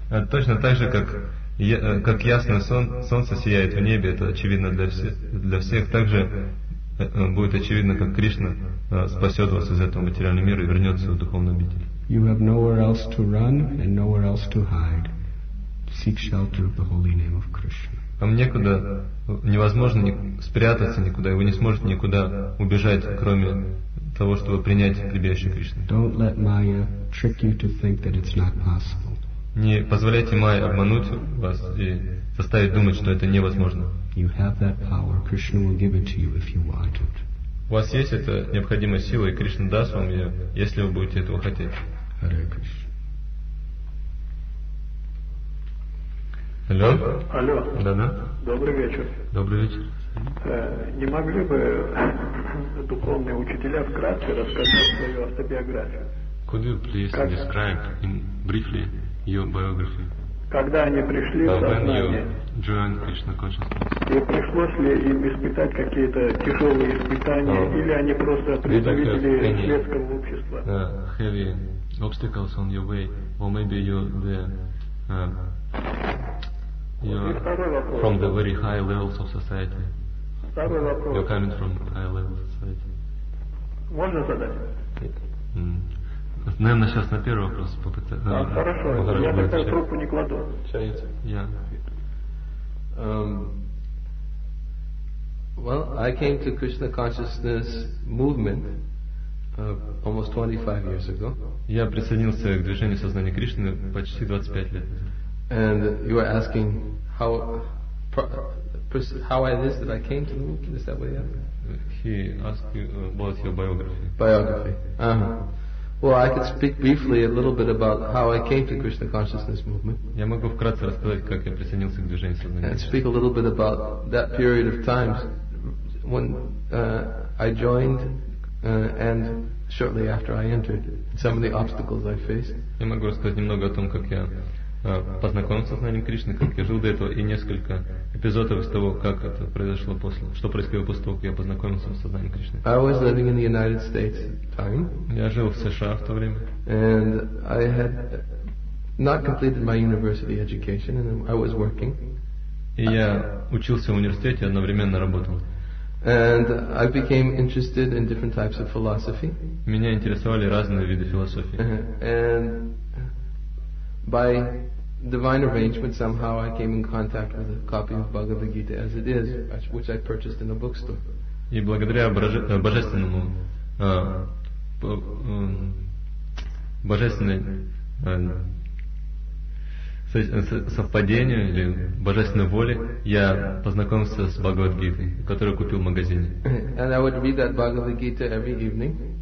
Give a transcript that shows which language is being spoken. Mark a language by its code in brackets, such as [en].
[ru] Точно так же, как ясное солнце сияет в небе, это очевидно для всех, так же будет очевидно, как Кришна спасет вас из этого материального мира и вернет свою духовную обитель. [en] You have nowhere else to run and nowhere else to hide. Seek shelter of the holy name of Krishna. [ru] Вам некуда, невозможно спрятаться никуда, и вы не сможете никуда убежать, кроме того, чтобы принять прибежище Кришны. [en] Don't let Maya trick you to think that it's not possible. [ru] Не позволяйте Майе обмануть вас и заставить думать, что это невозможно. [en] You have that power. Krishna will give it to you if you want it. [ru] У вас есть эта необходимая сила, и Кришна даст вам ее, если вы будете этого хотеть. [sa] Hare Krishna. [ru] Алло. Алло. Да-да. Добрый вечер. Добрый вечер. Не могли бы духовные учителя вкратце рассказать свою автобиографию? [en] Could you please как describe in briefly your biography? [ru] Когда они пришли в сознание? [en] Joined Krishna consciousness. [ru] И пришлось ли им испытать какие-то тяжелые испытания, или они просто представители светского общества? [en] Heavy obstacles on your way, or maybe you're the from the very high levels of society. You're coming from high level society. [ru] Можно задать? Наверное, сейчас на первый вопрос попытаться. А, хорошо. Я тогда трубку не кладу. Чаете? [en] Well, I came to Krishna consciousness movement almost 25 years ago. [ru] Я присоединился к движению сознания Кришны почти 25 лет назад. [en] And you are asking how it is that I came to the movement? Is that what you asked? He asked you about your biography. Biography. Well, I could speak briefly a little bit about how I came to Krishna consciousness movement. [ru] Я могу вкратце рассказать, как я присоединился к движению сознания. [en] And speak a little bit about that period of time when I joined and shortly after I entered, some of the obstacles I faced. [ru] Я могу рассказать немного о том, как я познакомился с сознанием Кришны, как я жил до этого, и несколько эпизодов из того, как это произошло после, что происходило после того, как я познакомился с сознанием Кришны. [en] I was living in the United States time. [ru] Я жил в США в то время. [en] And I had not completed my university education, and I was working. [ru] И я учился в университете, одновременно работал. [en] And I became interested in different types of philosophy. [ru] Меня интересовали разные виды философии. [en] And by divine arrangement, somehow I came in contact with a copy of Bhagavad Gita as it is, which I purchased in a bookstore. [ru] И благодаря божественной совпадению или божественной воле я познакомился с Бхагавад-гитой, которую купил в магазине. [en] And I would read that Bhagavad-gita every evening.